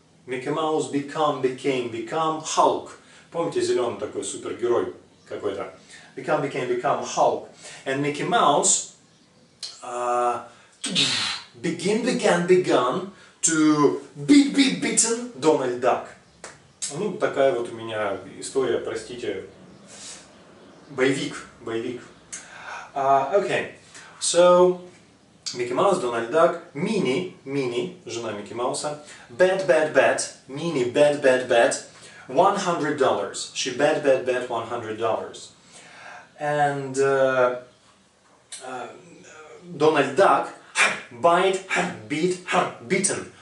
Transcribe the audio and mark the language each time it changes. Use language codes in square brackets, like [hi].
[en] Mickey Mouse became Hulk. [ru] Помните, зеленый такой супергерой какой-то. [en] Became Hulk. And Mickey Mouse begin, began, begun to beat, beat, beaten Donald Duck. [ru] Ну, такая вот у меня история, простите. Боевик, боевик. [en] Okay, so, Mickey Mouse, Donald Duck, Minnie, Minnie, [ru] жена Микки Мауса, [en] bet, bet, bet, Minnie, bet, bet, bet, $100. She bet, bet, bet, $100. And Donald Duck, bite, beat, beaten.